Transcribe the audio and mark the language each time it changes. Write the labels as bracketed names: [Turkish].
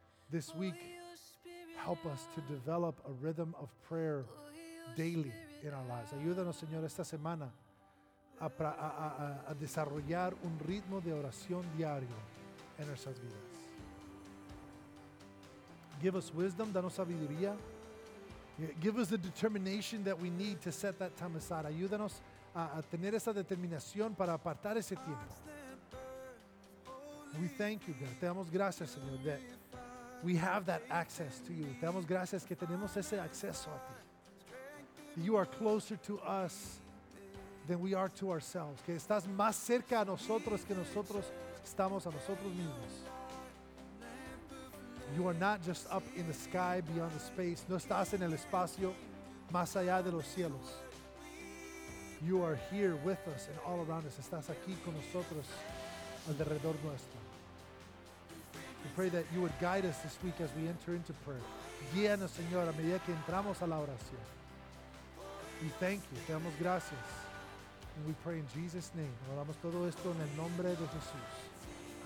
[English] This week, help us to develop a rhythm of prayer daily in our lives. [Spanish] Ayúdanos, Señor, esta semana a desarrollar un ritmo de oración diario en nuestras vidas. [English] Give us wisdom, [Spanish] danos sabiduría. [English] Give us the determination that we need to set that time aside. [Spanish] Ayúdanos a tener esa determinación para apartar ese tiempo. [English] We thank you, God. [Spanish] Te damos gracias, Señor, [English] that we have that access to you. [Spanish] Te damos gracias que tenemos ese acceso a ti. [English] You are closer to us than we are to ourselves. [Spanish] Que estás más cerca a nosotros que nosotros estamos a nosotros mismos. [English] You are not just up in the sky beyond the space. [Spanish] No estás en el espacio más allá de los cielos. [English] You are here with us and all around us. [Spanish] Estás aquí con nosotros alrededor nuestro. [English] We pray that you would guide us this week as we enter into prayer. [Spanish] Guíanos, Señor, a medida que entramos a la oración. [English] We thank you. [Spanish] Te damos gracias. [English] And we pray in Jesus' name. [Spanish] Oramos todo esto en el nombre de Jesús.